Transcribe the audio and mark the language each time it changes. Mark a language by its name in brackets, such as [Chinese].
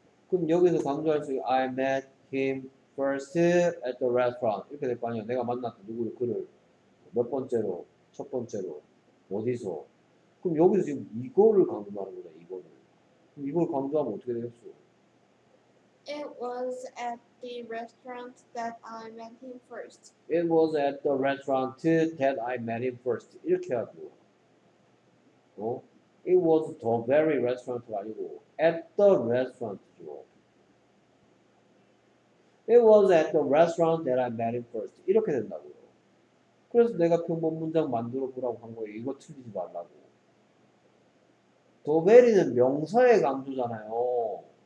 [Korean] 그럼 여기서 강조할 수 있어. [English] I met him first at the restaurant. [Korean] 이렇게 될 거 아니야. 내가 만났다. 누구를, 그를. 몇 번째로, 첫 번째로, 어디서. 그럼 여기서 지금 이거를 강조하는 거다, 이거를. 그럼 이걸 강조하면 어떻게 되겠어? [English] It was at the restaurant that I met him first. It was at the restaurant that I met him first. [Korean] 이렇게 하고. 어? [English] It was the very restaurant [Korean] 아니고 [English] at the restaurant. It was at the restaurant that I met him first. [Korean] 이렇게 된다고요. 그래서 내가 평범 문장 만들어 보라고 한 거예요. 이거 틀리지 말라고. 더 베리는 명사의 강조잖아요.